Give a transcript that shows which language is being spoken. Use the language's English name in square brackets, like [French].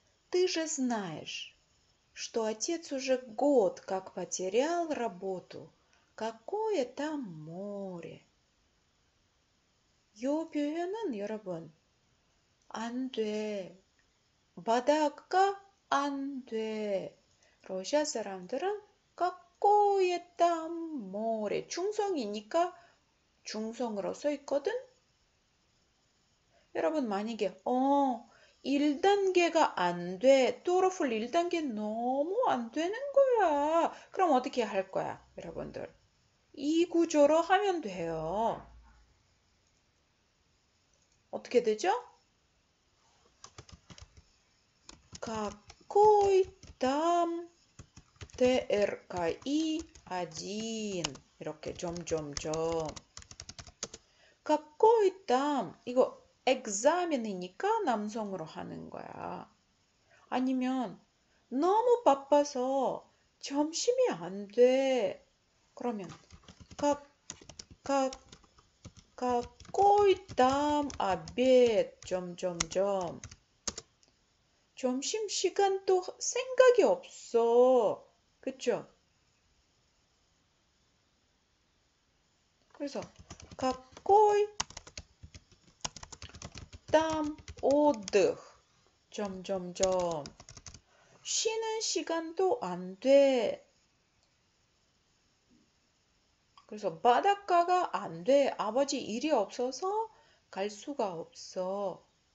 [Russian] Ты же знаешь, что отец уже год как потерял работу. Какое там море? [Korean] 요 표현은 여러분, 안 돼, 바닷가 안 돼. 러시아 사람들은 [Russian] какое там море, [Korean] 중성이니까 중성으로 써 있거든. 여러분, 만약에 1단계가 안 돼, 토로플 1단계 너무 안 되는 거야. 그럼 어떻게 할 거야, 여러분들? 이 구조로 하면 돼요. 어떻게 되죠? 가코이 담 ТРКИ 1 이렇게 점점점 가코이 담 이거 examen이니까 남성으로 하는 거야. 아니면 너무 바빠서 점심이 안 돼. 그러면 [Russian] какой там обед? [Korean] 점점점 점심시간도 생각이 없어. 그쵸? 그래서 [Russian] какой там отдых? [Korean] 점점점 쉬는 시간도 안 돼. 그래서 바닷가가 안 돼. 아버지 일이 없어서 갈 수가 없어.